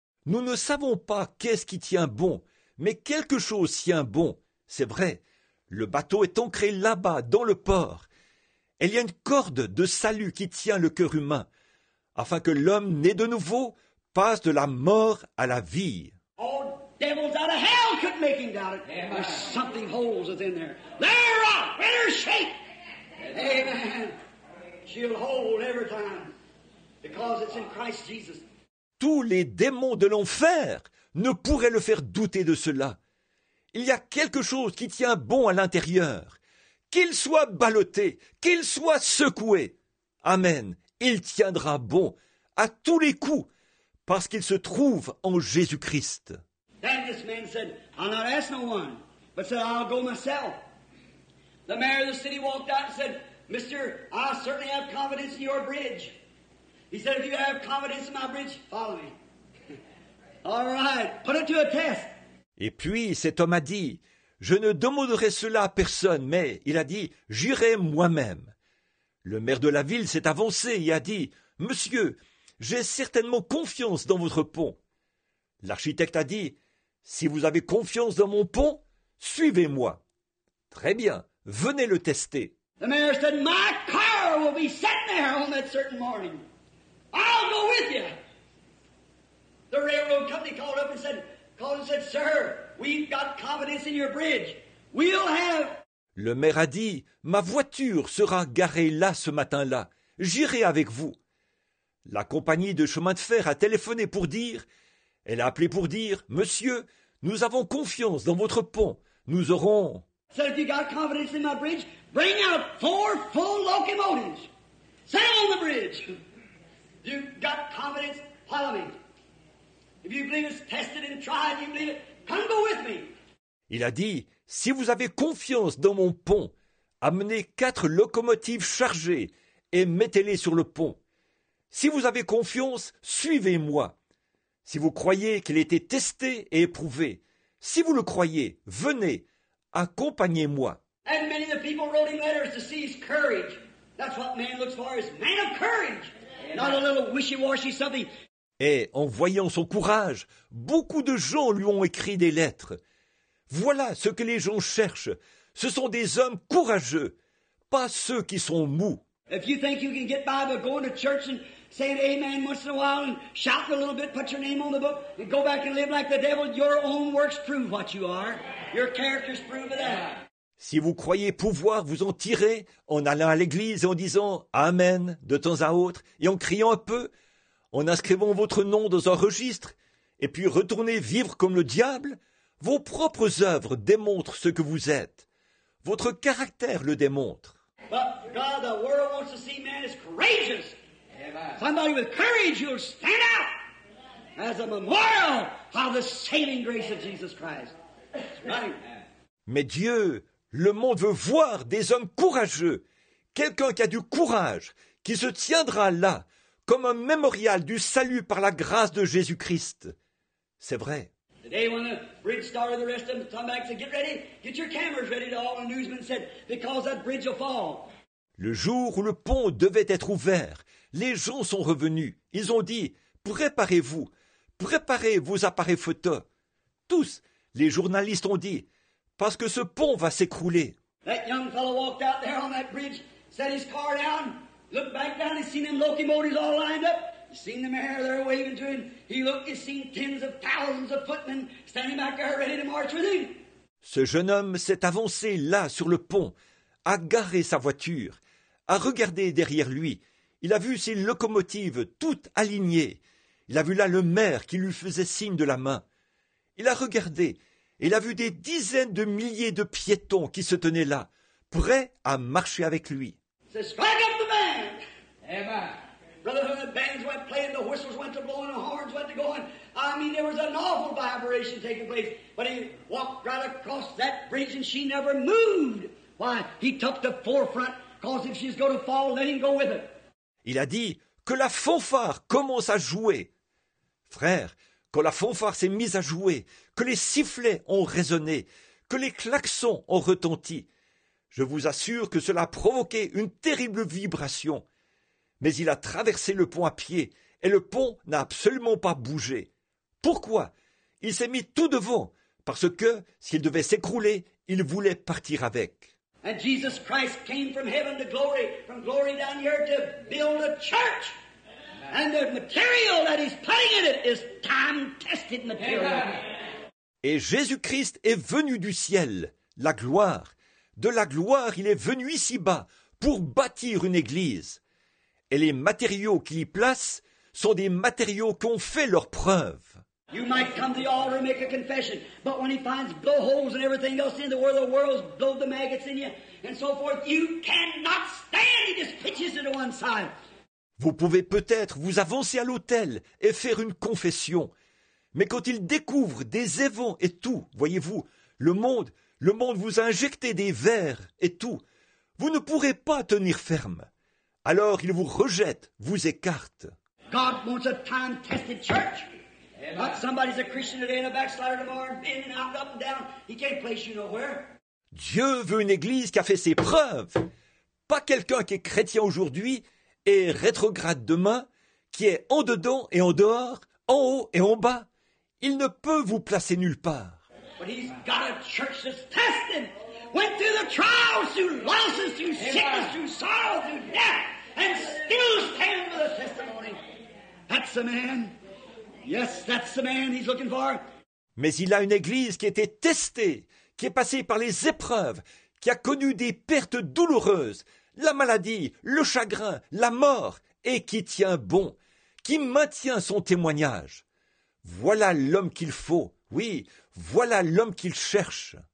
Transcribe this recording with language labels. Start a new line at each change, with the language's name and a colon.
French: Nous ne savons pas qu'est-ce qui tient bon, mais quelque chose tient bon. C'est vrai. Le bateau est ancré là-bas, dans le port. Il y a une corde de salut qui tient le cœur humain, afin que l'homme né de nouveau passe de la mort à la vie.
English: All devils out of hell could make him doubt it. Yeah. There's something holds within there. They're a better shape. Amen. She'll hold every time, because it's in Christ Jesus.
French: Tous les démons de l'enfer ne pourraient le faire douter de cela. Il y a quelque chose qui tient bon à l'intérieur. Qu'il soit ballotté, qu'il soit secoué. Amen. Il tiendra bon à tous les coups parce qu'il se trouve en Jésus-Christ.
English: Then this man said, I'll not ask no one, but said, I'll go myself. The mayor of the city walked out and said, Mister, I certainly have confidence in your bridge. He said, if you have confidence in my bridge, follow me. All right, put it to a test.
French: Et puis cet homme a dit, je ne demanderai cela à personne, mais il a dit, j'irai moi-même. Le maire de la ville s'est avancé et a dit, monsieur, j'ai certainement confiance dans votre pont. L'architecte a dit, si vous avez confiance dans mon pont, suivez-moi. Très bien, venez le tester.
English: The mayor said, my car will be sitting there on that certain morning. I'll go with you. The railroad company called up and said, sir, we've got confidence in your bridge. We'll have...
French: Le maire a dit, ma voiture sera garée là ce matin-là. J'irai avec vous. La compagnie de chemin de fer a téléphoné pour dire, elle a appelé pour dire, monsieur, nous avons confiance dans votre pont. Nous aurons...
English: So if you got confidence in my bridge, bring out 4 full locomotives. Sail on the bridge. You got confidence, follow me. If you believe it's tested and tried, you believe it, come go with me.
French: Il a dit, si vous avez confiance dans mon pont, amenez 4 locomotives chargées et mettez-les sur le pont. Si vous avez confiance, suivez-moi. Si vous croyez qu'il a été testé et éprouvé, si vous le croyez, venez, accompagnez-moi.
English: And many of the people wrote him letters to see his courage. That's what man looks for, is man of courage. Not a little wishy-washy something.
French: Et en voyant son courage, beaucoup de gens lui ont écrit des lettres. Voilà ce que les gens cherchent. Ce sont des hommes courageux, pas ceux qui sont mous.
English: If you think you can get by by going to church and saying amen once in a while and shouting a little bit, put your name on the book and go back and live like the devil, your own works prove what you are. Your character's proof of that.
French: Si vous croyez pouvoir vous en tirer en allant à l'église et en disant « Amen » de temps à autre et en criant un peu, en inscrivant votre nom dans un registre et puis retourner vivre comme le diable, vos propres œuvres démontrent ce que vous êtes. Votre caractère le démontre.
English: But God, the world wants to see man is courageous. Somebody with courage, you'll stand out as a memorial of the saving grace of Jesus Christ.
French: Mais Dieu... Le monde veut voir des hommes courageux, quelqu'un qui a du courage, qui se tiendra là, comme un mémorial du salut par la grâce de Jésus-Christ. C'est vrai.
English: The day when the bridge started, the rest of them come back and said, get ready, get your cameras ready to all the newsmen said, because that bridge will fall.
French: Le jour où le pont devait être ouvert, les gens sont revenus. Ils ont dit, préparez-vous, préparez vos appareils photo. Tous, les journalistes ont dit, parce que ce pont va s'écrouler.
English: That young fellow walked out there on that bridge, set his car down, looked back down, he seen them locomotives all lined up, he seen the mayor there waving to him, he looked, he seen tens of thousands of footmen standing back there ready to march with him.
French: Ce jeune homme s'est avancé là sur le pont, a garé sa voiture, a regardé derrière lui, il a vu ses locomotives toutes alignées, il a vu là le maire qui lui faisait signe de la main, il a regardé, il a vu des dizaines de milliers de piétons qui se tenaient là, prêts à marcher avec lui.
English: Strike up the band. Amen. Brotherhood, the bands went playing, the whistles went to blowing, the horns went to going. I mean, there was an awful vibration taking place. But he walked right across that bridge and she never moved. Why, he took the forefront, because if she's going to fall, let him go with her.
French: Il a dit que la fanfare commence à jouer. Frère, quand la fanfare s'est mise à jouer, que les sifflets ont résonné, que les klaxons ont retenti, je vous assure que cela a provoqué une terrible vibration. Mais il a traversé le pont à pied et le pont n'a absolument pas bougé. Pourquoi ? Il s'est mis tout devant parce que s'il devait s'écrouler, il voulait partir avec.
English: And Jesus Christ came from heaven to glory, from glory down here to build a church. And the material that he's putting in it is time-tested material.
French: Et Jésus-Christ est venu du ciel, la gloire. De la gloire, il est venu ici-bas pour bâtir une église. Et les matériaux qu'il y place sont des matériaux qui ont fait leur preuve.
English: You might come to the altar and make a confession, but when he finds blowholes and everything else in the world, the world's blow the maggots in you, and so forth, you cannot stand. He just pitches it to one side.
French: Vous pouvez peut-être vous avancer à l'autel et faire une confession. Mais quand il découvre des évents et tout, voyez-vous, le monde vous a injecté des vers et tout, vous ne pourrez pas tenir ferme. Alors il vous rejette, vous écarte.
English: God wants a time-tested church. Not somebody's a Christian today and a backslider tomorrow, in and out, up and down. He can't place you nowhere.
French: Dieu veut une église qui a fait ses preuves. Pas quelqu'un qui est chrétien aujourd'hui et rétrograde demain, qui est en dedans et en dehors, en haut et en bas. Il ne peut vous placer nulle part.
English: But he's got a church that's tested. Went through the trials, through losses, through sickness, through sorrow, through death, and still stands with a testimony. That's the man. Yes, that's the man he's looking for.
French: Mais il a une église qui a été testée, qui est passée par les épreuves, qui a connu des pertes douloureuses, la maladie, le chagrin, la mort, et qui tient bon, qui maintient son témoignage. Voilà l'homme qu'il faut, oui, voilà l'homme qu'il cherche.